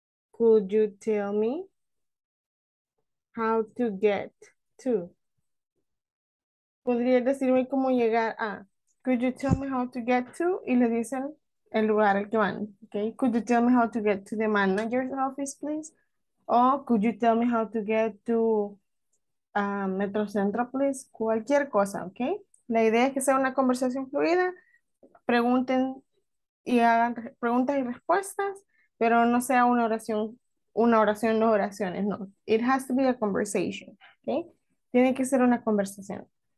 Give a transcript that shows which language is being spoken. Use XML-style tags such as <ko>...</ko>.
<en>Could you tell me how to get to?</en> <es>Podrías decirme cómo llegar a.</es> <en>Could you tell me how to get to?</en> <es>Y le dicen el lugar al que van. Okay.</es> <en>Could you tell me how to get to the manager's office, please? O could you tell me how to get to Metro Centro, please?</en> <es>Cualquier cosa, okay. La idea es que sea una conversación fluida. Pregunten y hagan preguntas y respuestas, pero no sea una oración, dos oraciones, no.</es> <en>It has to be a conversation, okay.</en> <es>Tiene que ser una conversación.</es>